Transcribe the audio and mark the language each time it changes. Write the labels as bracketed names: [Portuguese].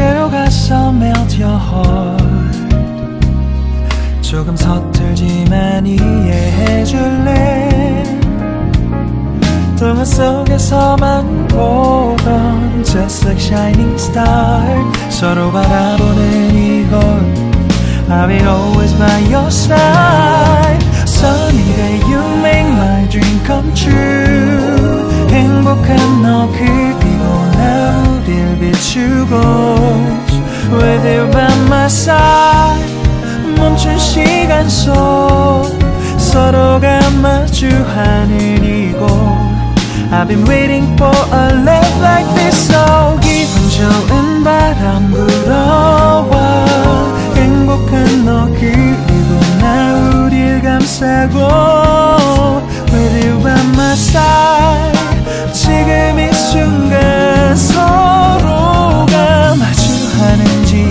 [Korean] 가서 [English] melt your heart. [Korean] 조금 서툴지만 이해해줄래. 동화 속에서만 보던 [English] just like shining star. [Korean] 서로 바라보는 이곳, [English] I'll be always by your side. Sunny day you make my dream come true. [Korean] 행복한 너 그리고 나 우릴 비추고. [English] With you by my side, [Korean] 멈춘 시간 속 서로가 마주하는 이곳. [English] I've been waiting for a love like this. So [Korean] 기분 좋은 바람 불어와. 행복한 너 그리고 나 우릴 감싸고. [English] With you by my side, [Korean] 지금 이 순간 서로가 마주하는.